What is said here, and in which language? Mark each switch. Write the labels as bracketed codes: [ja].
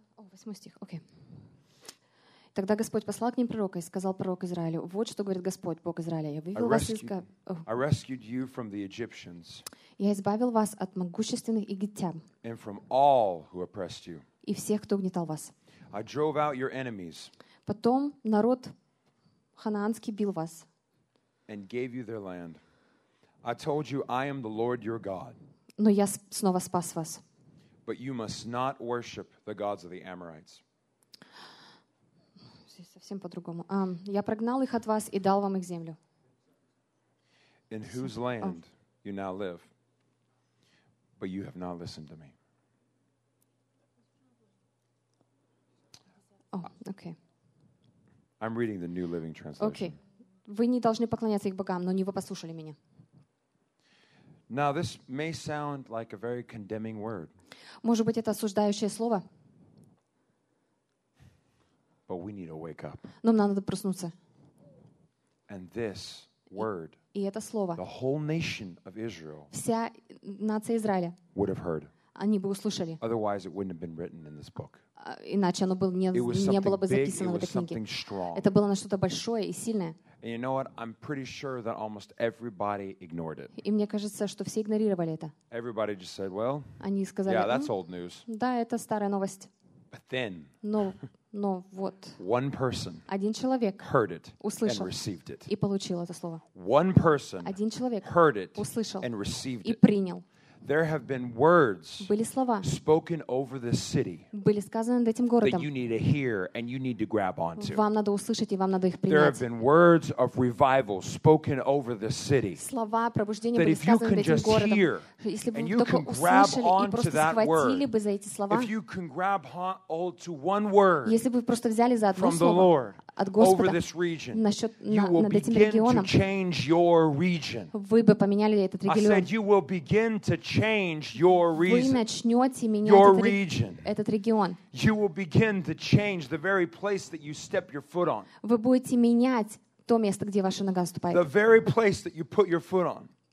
[ru] Восьмой стих, окей. Тогда Господь послал к ним пророка и сказал пророк Израилю, вот что говорит Господь, Бог Израиля, я вывел вас из... [en] I rescued you from the Egyptians. [ru] Я избавил вас от могущественных египтян. [en] And from all who oppressed you. [ru] И всех, кто угнетал вас. [en] I drove out your enemies. [ru] Потом народ ханаанский бил вас. [en] And gave you their land. I told you, I am the Lord your God. [ru] Но я снова спас вас. [en] But you must not worship the gods of the Amorites. [ru] Совсем по-другому. Я прогнал их от вас и дал вам их землю. [en] In whose land you now live, but you have not listened to me. Oh, okay. I'm reading the New Living Translation. Okay. [ru] Вы не должны поклоняться их богам, но не вы послушали меня. [en] Now this may sound like a very condemning word. [ru] Может быть, это осуждающее слово? [en] But we need to wake up. [ru] Нам надо проснуться. [en] And this word, [ru] и это слово, [en] the whole nation of Israel, [ru] вся нация Израиля, [en] would have heard. [ru] Они бы услышали. [en] Otherwise, it wouldn't have been written in this book. [ru] Иначе оно было не было бы записано в этой книге. [en] It was something strong. [ru] Это было на что-то большое и сильное. [en] And you know what? I'm pretty sure that almost everybody ignored it. [ru] И мне кажется, что все игнорировали это. [en] Everybody just said, "Well." [ru] Они сказали. [en] Yeah, that's old news. [ru] Да, это старая новость. [en] But then. [ru] Но вот [en] one person [ru] один человек [en] heard it [ru] услышал [en] and it. [ru] И получил это слово. [en] One person [ru] один человек [en] heard it [ru] услышал [en] and received [ru] и принял. [en] There have been words [ru] были слова [en] spoken over this city [ru] были сказаны над этим городом [en] that you need to hear and you need to grab onto. [ru] Вам надо услышать и вам надо их принять. [en] There have been words of revival spoken over this city [ru] слова пробуждения были сказаны над этим городом. [en] Hear, [ru] если бы вы только услышали и просто схватили бы за эти слова, [en] if you can grab hold to one word, [ru] если бы вы просто взяли за одно слово [en] Lord, [ru] от Господа [en] over this region, [ru] насчет, [en] you will [ru] над этим регионом, [en] to change your region. [ru] Вы бы поменяли этот регион. [en] I said, you will begin to change your reason, [ru] вы начнете менять [en] your region. [ru] Этот регион. [en] You will begin to change the very place that you step your foot on. [ru] Вы будете менять то место, где ваша нога ступает. [en] The very place that you put your foot on.